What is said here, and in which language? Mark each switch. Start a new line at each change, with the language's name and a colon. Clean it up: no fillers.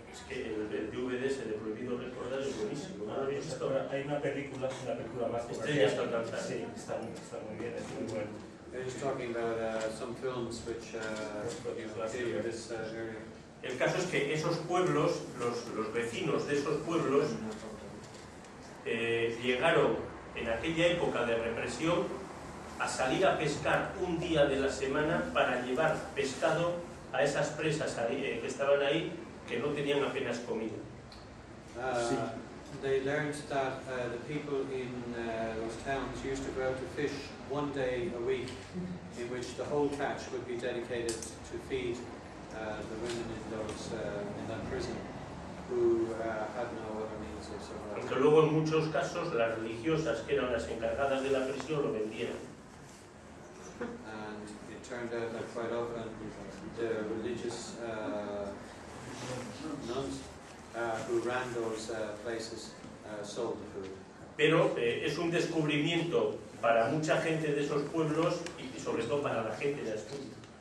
Spanish: Es que el DVD ese de prohibido recordar es buenísimo. Hay una película más comercial. Estrella está cantando. Sí, está muy bien, es muy bueno.
English: They're just talking about some films which deal with this area.
Spanish: El caso es que esos pueblos, los vecinos de esos pueblos, llegaron en aquella época de represión a salir a pescar un día de la semana para llevar pescado a esas presas ahí, que estaban ahí, que no tenían apenas comida. Sí.
English: They learned that the people in those towns used to go out to fish one day a week, in which the whole catch would be dedicated to feed the women in those in that prison, who had no other means of survival.
Spanish: Aunque luego en muchos casos las religiosas que eran las encargadas de la prisión lo vendieron.
English: And it turned out that quite often the religious nuns who ran those places sold the food.
Spanish: Pero es un descubrimiento para mucha gente de esos pueblos y sobre todo para la gente de Asturias.